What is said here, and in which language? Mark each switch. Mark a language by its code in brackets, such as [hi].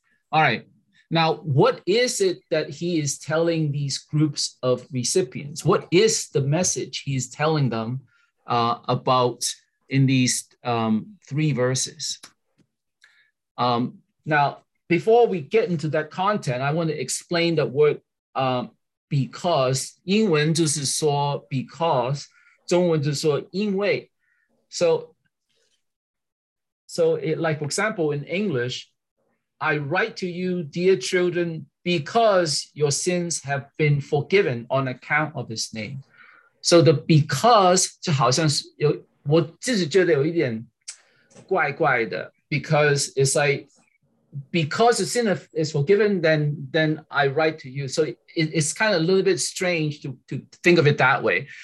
[en] All right. Now, what is it that he is telling these groups of recipients? What is the message he's telling them about in these three verses? Now, before we get into that content, I want to explain the word because. [zh] 英文就是说 because, 中文就是说因为. [en] So, like for example, in English, I write to you, dear children, because your sins have been forgiven on account of his name. So the because, [zh] 就好像是有，我自己觉得有一点怪怪的, [en] because it's like, because the sin is forgiven, then I write to you. So it's kind of a little bit strange to think of it that way.